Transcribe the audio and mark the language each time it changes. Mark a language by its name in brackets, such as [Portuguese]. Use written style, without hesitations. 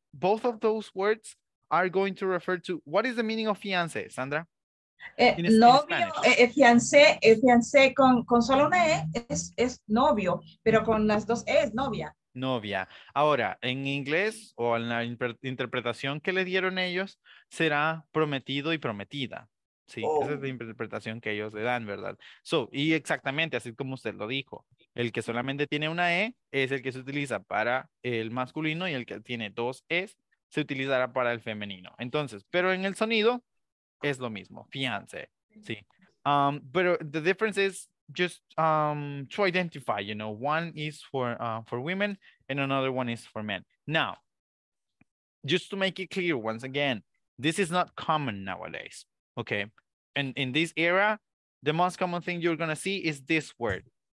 [English] Both of those words are going to refer to, what is the meaning of fiancé, Sandra? [Spanish] Fiancé con solo una E es novio, pero con las dos E es novia. Novia. Ahora, en inglés o en la interpretación que le dieron ellos, será prometido y prometida. Sí, oh. Esa es la interpretación que ellos le dan, ¿verdad? So, y exactamente así como usted lo dijo, el que solamente tiene una E es el que se utiliza para el masculino y el que tiene dos E's se utilizará para el femenino. Entonces, pero en el sonido es lo mismo, fiancé, sí. [English] Pero the difference is just to identify, you know, one is for women and another one is for men. Now, just to make it clear once again, this is not common nowadays. Okay, and in this era, the most common thing you're gonna see is this word.